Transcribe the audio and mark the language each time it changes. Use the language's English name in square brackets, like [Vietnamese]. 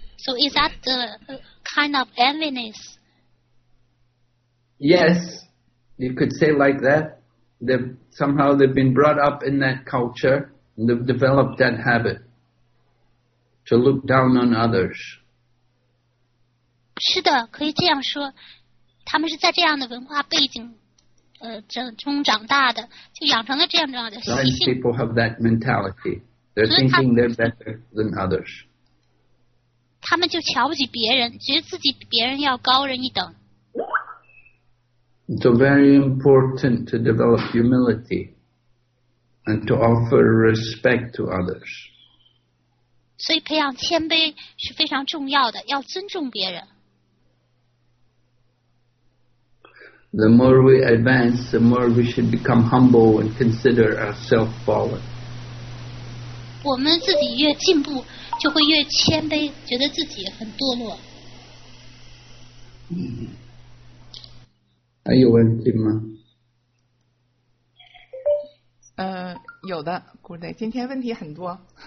[English] So is that the kind of enviness? Yes, you could say like that. Somehow they've been brought up in that culture. They've developed that habit to look down on others. [Chinese] 是的，可以这样说，他们是在这样的文化背景中长大的，就养成了这样的习性。 [English] People have that mentality. They're thinking they're better than others. [Chinese] 他们就瞧不起别人，觉得自己比别人要高人一等。 [English] It's very important to develop humility. And to offer respect to others. [Chinese] 所以培养谦卑是非常重要的，要尊重别人。 [English] The more we advance, the more we should become humble and consider ourselves fallen. [Chinese] 我们自己越进步，就会越谦卑，觉得自己很堕落。还有问题吗？有的，古队，今天问题很多。